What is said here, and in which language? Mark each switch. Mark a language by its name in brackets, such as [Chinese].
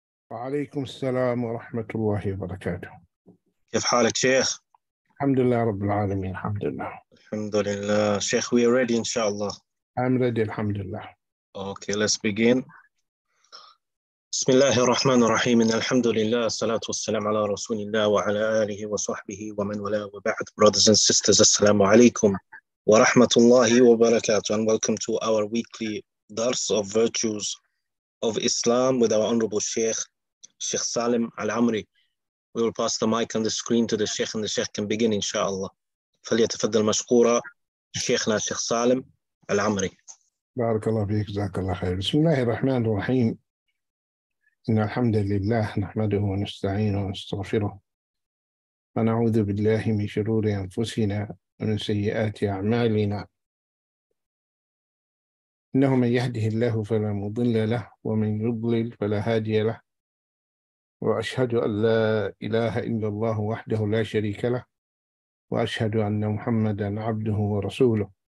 [Arabic] وعليكم السلام ورحمة الله وبركاته. كيف حالك شيخ؟ الحمد لله رب العالمين، الحمد لله. الحمد لله شيخ. [English] We are ready [Arabic] إن شاء الله. [English] I'm ready، [Arabic] الحمد لله. [English] Okay, let's begin. [Arabic] بسم الله الرحمن الرحيم. الحمد لله، الصلاة والسلام على رسول الله وعلى آله وصحبه ومن ولا وبعد. [English] Brothers and sisters, [Arabic] السلام عليكم ورحمة الله وبركاته. [English] And welcome to our weekly Dars of Virtues of Islam with our Honorable Sheikh, Sheikh Salim Al-Amri. We will pass the mic and the screen to the Sheikh, and the Sheikh can begin, inshallah. [Arabic] فليتفضل مشكورا شيخنا الشيخ سالم العمري. بارك الله فيك، جزاك الله خير. بسم الله الرحمن الرحيم. إن الحمد لله نحمده ونستعينه ونستغفره ونعوذ بالله من شرور أنفسنا ومن سيئات أعمالنا، إنه من يهده الله فلا مضل له ومن يضلل فلا هادي له، وأشهد أن لا إله إلا الله وحده لا شريك له، وأشهد أن محمدًا عبده ورسوله.